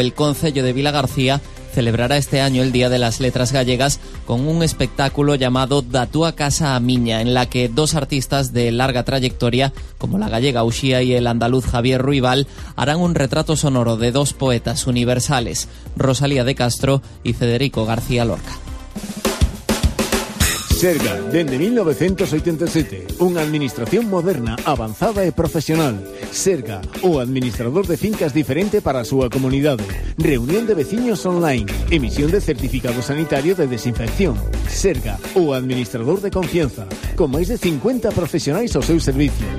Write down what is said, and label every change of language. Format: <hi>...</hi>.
<es>El Concello de Vila García celebrará este año el Día de las Letras Gallegas con un espectáculo llamado Da túa casa a miña, en la que dos artistas de larga trayectoria, como la gallega Uxía y el andaluz Javier Ruibal, harán un retrato sonoro de dos poetas universales, Rosalía de Castro y Federico García Lorca.</es> <gl>Serga, dende 1987, unha administración moderna, avanzada e profesional. Serga, o administrador de fincas diferente para a súa comunidade. Reunión de veciños online, emisión de certificado sanitario de desinfección. Serga, o administrador de confianza, con máis de 50 profesionais ao seu servicio.</gl>